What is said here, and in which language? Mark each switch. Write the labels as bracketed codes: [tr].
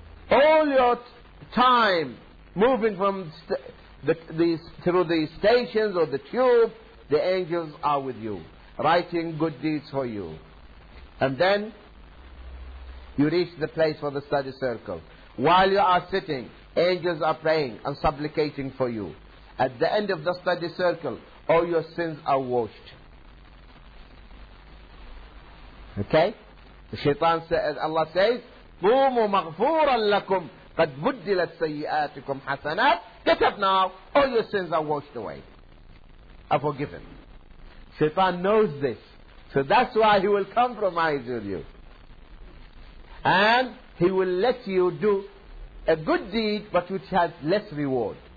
[en] All your time moving from through the stations or the tube, the angels are with you, writing good deeds for you. And then you reach the place for the study circle. While you are sitting, angels are praying and supplicating for you. At the end of the study circle, all your sins are washed. Okay? The shaitan says, Allah says, [ar] قوموا مغفورا لكم قد بدلت سيئاتكم حسنات. [en] Get up now, all your sins are washed away, are forgiven. Shaitan knows this, so that's why he will compromise with you, and he will let you do a good deed but which has less reward.